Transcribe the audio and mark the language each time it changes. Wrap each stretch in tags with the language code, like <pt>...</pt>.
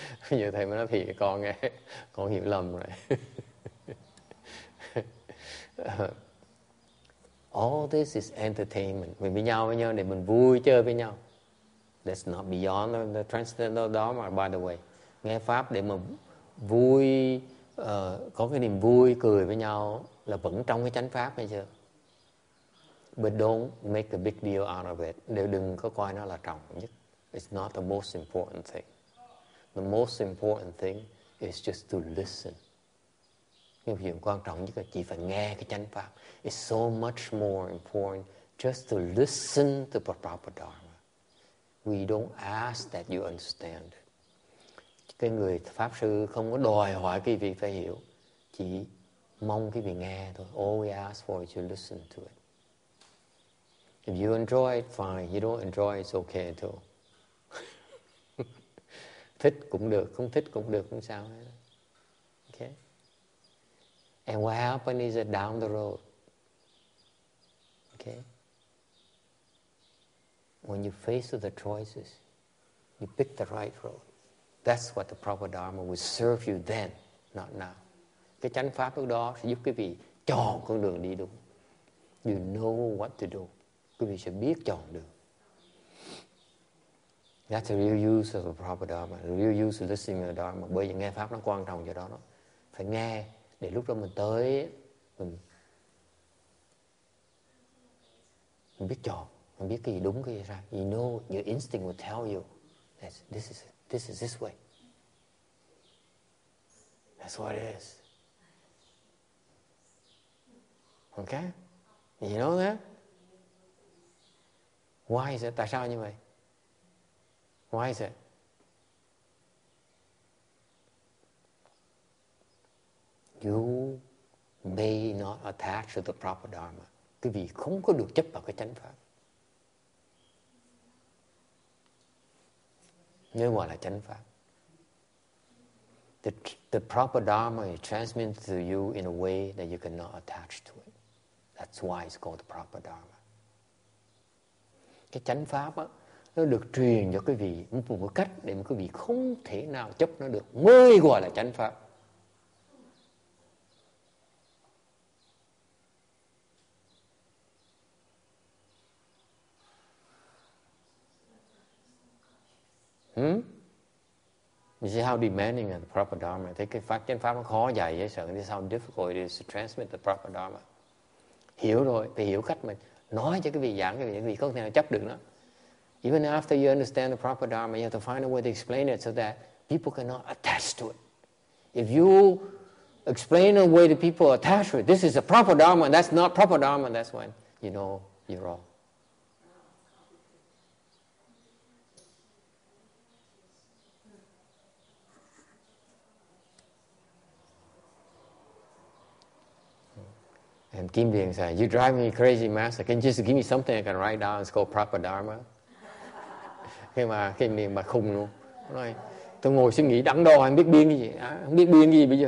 <vi>Giờ thầy mới nói thiệt với con nghe, con hiểu lầm rồi.</vi> <en>All this is entertainment.</en> <vi>Mình với nhau để mình vui chơi với nhau.</vi> <en>That's not beyond the transcendental dharma, by the way.</en> <vi>Nghe pháp để mà vui, có cái niềm vui cười với nhau là vẫn trong cái chánh pháp hay chưa?</vi> <en>But don't make a big deal out of it.</en> <vi>Nếu đừng có coi nó là trọng nhất.</vi> <en>It's not the most important thing. The most important thing is just to listen.</en> <vi>Cái việc quan trọng nhất là chỉ phải nghe cái chánh pháp.</vi> <en>It's so much more important just to listen to the proper dharma. We don't ask that you understand.</en> <vi>Cái người pháp sư không có đòi hỏi cái việc phải hiểu, chỉ mong cái việc nghe thôi.</vi> <en>All we ask for is to listen to it. If you enjoy it, fine. You don't enjoy it, it's okay too.</en> <vi>Thích cũng được, không thích cũng được, không sao hết.</vi> <en>Okay. And what happened is that down the road. Okay. When you face the choices, you pick the right road. That's what the proper dharma will serve you then, not now.</en> <vi>Cái chánh pháp lúc đó sẽ giúp quý vị chọn con đường đi đúng.</vi> <en>You know what to do.</en> <vi>Quý vị sẽ biết chọn đường.</vi> <en>That's the real use of a proper dharma. The real use of listening to the dharma.</en> <vi>Bởi vì nghe pháp nó quan trọng cho đó. Phải nghe để lúc đó mình tới, mình Mình biết chọn, mình biết cái gì đúng cái gì sai.</vi> <en>You know, your instinct will tell you that this is this way. That's what it is. Okay? You know that? Why is it?</en> <vi>Tại sao như vậy?</vi> <en>Why is it? You may not attach to the proper dharma.</en> <vi>Quý vị không có được chấp vào cái chánh pháp. Nếu gọi là chánh pháp.</vi> <en>The proper dharma is transmitted to you in a way that you cannot attach to it. That's why it's called the proper dharma.</en> <vi>Cái chánh pháp á, nó được truyền cho quý vị một cách để mà quý vị không thể nào chấp nó được. Mới gọi là chánh pháp.</vi> <en>Hmm? You see how demanding the proper dharma.</en> <vi>Thấy cái pháp chánh pháp nó khó dạy vậy sợ.</vi> <en>This is how difficult it is to transmit the proper dharma.</en> <vi>Hiểu rồi, phải hiểu cách mà nói cho cái vị giảng cái vị, cái vị có thể nào chấp được nó.</vi> <en>Even after you understand the proper dharma, you have to find a way to explain it so that people cannot attach to it. If you explain a way that people attach to it, this is a proper dharma, that's not proper dharma, that's when you know you're wrong. And Kim Bing said, you drive me crazy, Master. Can you just give me something I can write down? It's called proper dharma.</en> <vi>Khi mà Kim Bing mà khùng luôn. Nói, tôi ngồi suy nghĩ đắn đo, không biết biên cái gì. Không biết biên gì bây giờ.</vi>